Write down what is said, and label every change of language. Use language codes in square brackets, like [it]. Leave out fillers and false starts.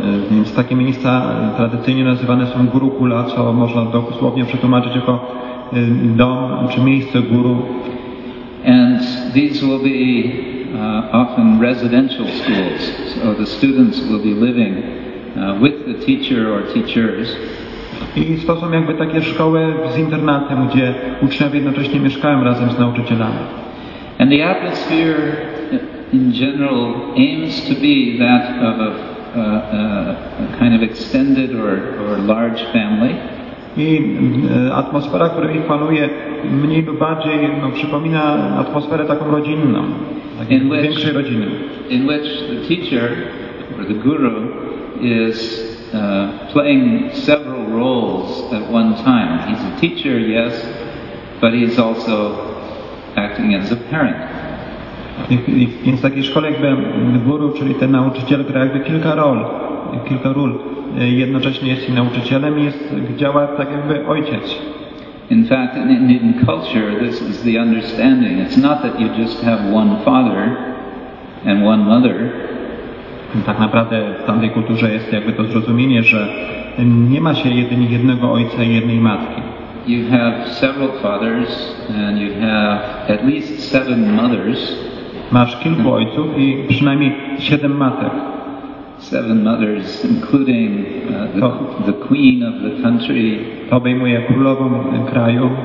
[pl] Więc takie miejsca tradycyjnie nazywane są Gurukula, co można dosłownie przetłumaczyć jako dom czy miejsce guru. [en] And these will be often residential schools, so the students will be living with the teacher or teachers. [pl] I to są jakby takie szkoły z internatem, gdzie uczniowie jednocześnie mieszkają razem z nauczycielami. [en] And the atmosphere in general aims to be that of a kind of extended or large family. [pl] I atmosfera, która ich panuje, mniej lub bardziej przypomina atmosferę taką rodzinną, takiej większej rodziny. [en] In which the teacher or the guru is playing several roles at one time. He's a teacher, yes, but he's also acting as a parent. [pl] Więc w takiej szkole jakby guru, czyli ten nauczyciel, gra jakby kilka ról. Jednocześnie jest i nauczycielem, działa tak jakby ojciec. [en] In fact, in culture, this is the understanding. It's not that you just have one father and one mother. [pl] Tak naprawdę w tamtej kulturze jest jakby to zrozumienie, że nie ma się jedynie jednego ojca i jednej matki. [en] You have several fathers and you have at least seven mothers. [pl] Masz kilku ojców i przynajmniej siedem matek. [en] Seven mothers, including the queen of the country. [pl] To obejmuje królową kraju.